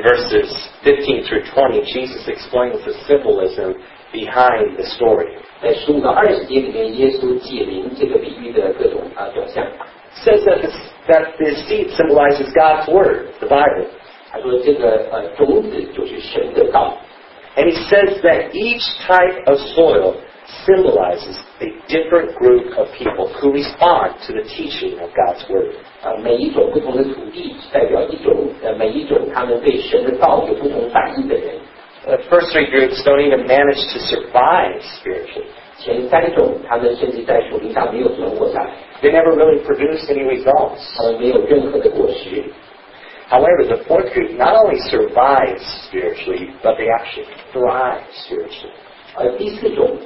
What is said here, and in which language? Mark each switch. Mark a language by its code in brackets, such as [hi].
[en] verses 15 through 20, Jesus explains the symbolism behind the story. [zh] 在15到20节里面，耶稣解明这个比喻的各种表象。 [en] Says that the seed symbolizes God's word, the Bible. [zh] 他说这个种子就是神的道。 [en] And he says that each type of soil symbolizes a different group of people who respond to the teaching of God's word. [zh] 每一种不同的土地代表一种，每一种他们对神的道有不同反应的人。 [en] The first three groups don't even manage to survive spiritually. [zh] 前三种他们甚至在属灵上没有存活下来。 [en] They never really produced any results. However, the fourth group not only survives spiritually, but they actually thrive spiritually.